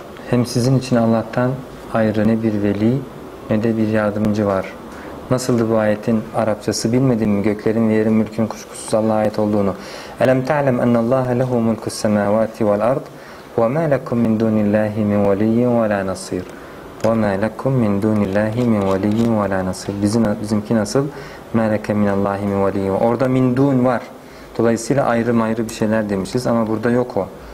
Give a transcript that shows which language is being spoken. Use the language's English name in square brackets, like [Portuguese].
[Turkish] Hem sizin için Allah'tan ayrı ne bir veli ne de bir yardımcı var. Nasıldı bu ayetin Arapçası? Bilmedin mi göklerin ve yerin mülkün kuşkusuz Allah'a ait olduğunu? [Arabic] Elem ta'lem ennallaha lehu mulkus semawati vel ard? وَمَا لَكُمْ مِنْ دُونِ اللّٰهِ مِنْ وَلِيِّنْ وَلَا نَصِيرٍ وَمَا لَكُمْ مِنْ دُونِ اللّٰهِ مِنْ وَلِيِّنْ وَلَا نَصِيرٍ [Turkish] Bizimki nasıl? [Arabic] مَا لَكَ مِنَ اللّٰهِ مِنْ وَلِيِّنْ [Turkish] Orada [Arabic] مِنْ دُون [Turkish] var. Dolayısıyla ayrı mayrı bir şeyler demişiz ama burada yok o.